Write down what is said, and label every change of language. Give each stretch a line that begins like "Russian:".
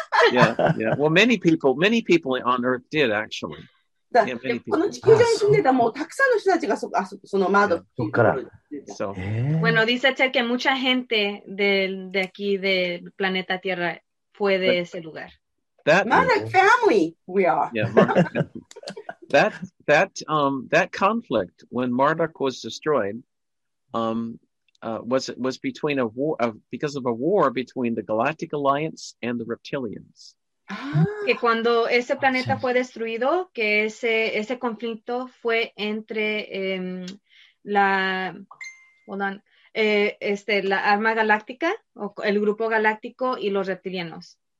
English: Yeah, yeah. Well, many people on Earth did, actually.
Spanish: Bueno, dice Ted que mucha gente de aquí, del planeta Tierra, fue de ese lugar.
English: That Marduk family we are. Yeah, that conflict when Marduk was destroyed was between a war because of a war between the Galactic Alliance and the Reptilians.
Spanish: Que cuando ese planeta fue destruido, que ese conflicto fue entre la arma galáctica o el grupo galáctico y los reptilianos.